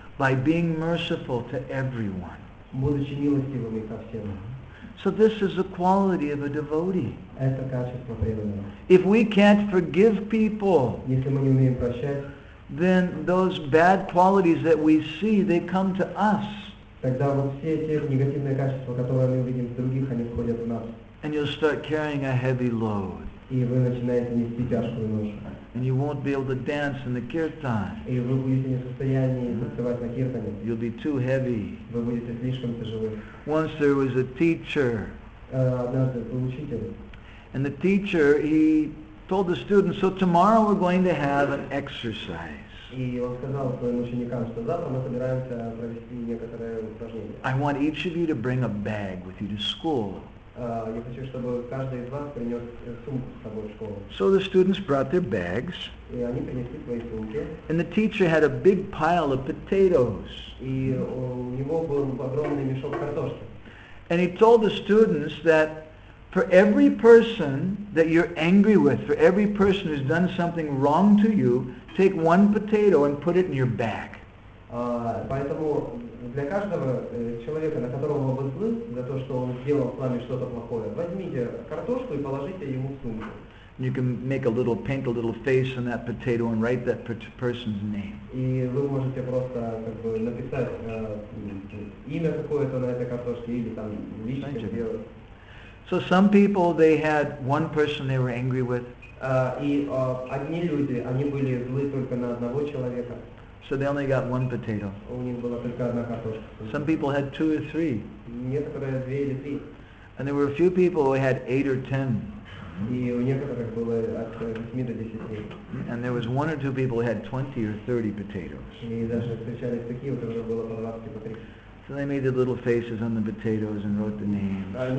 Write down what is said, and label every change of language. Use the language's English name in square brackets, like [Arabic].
[English] By being merciful to everyone. [Russian] Будучи милостивыми ко всем. [English] So this is the quality of a devotee. [Russian] Это качество преданного. [English] If we can't forgive people, [Russian] если мы не умеем прощать, [English] then those bad qualities that we see, they come to us. [Russian] Тогда вот все те негативные качества, которые мы видим в других, они входят в нас. [English] And you'll start carrying a heavy load. [Russian] И вы начинаете нести тяжкую ношу. [English] And you won't be able to dance in the kirtan. [Russian] И вы будете не в состоянии танцевать на киртане. [English] You'll be too heavy. [Russian] Вы будете слишком тяжелы. [English] Once there was a teacher. [Russian] Однажды был учитель. [English] And the teacher, he told the students, so tomorrow we're going to have an exercise. [Russian] И он сказал своим ученикам, что завтра мы собираемся провести некоторое упражнение. [English] I want each of you to bring a bag with you to school. [Russian] Я хочу, чтобы каждый из вас принес сумку с собой в школу. [English] So the students brought their bags. [Russian] И они принесли свои сумки. [English] And the teacher had a big pile of potatoes. [Russian] И у него был огромный мешок картошки. [English] And he told the students that for every person that you're angry with, for every person who's done something wrong to you, take one potato and put it in your bag. [Russian] Поэтому для каждого человека, на которого вы злы, за то, что он сделал с вами что-то плохое, возьмите картошку и положите ему в сумку. [English] You can make a little, paint a little face on that potato and write that person's name. [Russian] И вы можете просто как бы написать имя какое-то на этой картошке или там личико сделать. [English] So some people, they had one person they were angry with. [Russian] Одни люди, они были злы только на одного человека. [English] So they only got one potato. [Russian] У них была только одна картошка. [English] Some people had two or three. [Russian] Некоторые две или три. [English] And there were a few people who had eight or ten. [Russian] И у некоторых было от 8 до 10. [English] And there was one or two people who had 20 or 30 potatoes. [Russian] И даже встречались такие, у которых было по 20 или 30. [English] So they made the little faces on the potatoes and wrote the names.